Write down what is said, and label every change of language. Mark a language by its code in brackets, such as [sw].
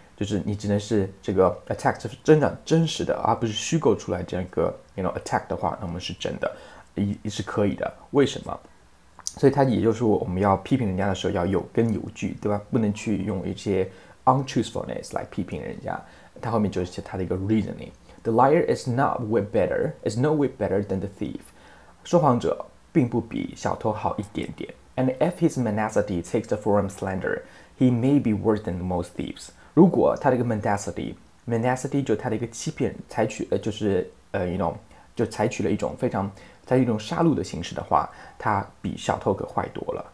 [zh] 就是你只能是这个 attack 是真的真实的，而不是虚构出来这样一个 [en] you know attack [zh] 的话，那么是真的，也是可以的。为什么？所以他也就是说，我们要批评人家的时候要有根有据，对吧？不能去用一些 untruthfulness, like 批评人家，他后面就是他的一个 reasoning. [en] The liar is not way better, is no way better than the thief. [zh] 说谎者并不比小偷好一点点。 [en] And if his mendacity takes the form of slander, he may be worse than most thieves. [zh] 如果他的一个 mendacity 就他的一个欺骗，采取就是you know, 就采取了一种非常采取一种杀戮的形式的话，他比小偷可坏多了。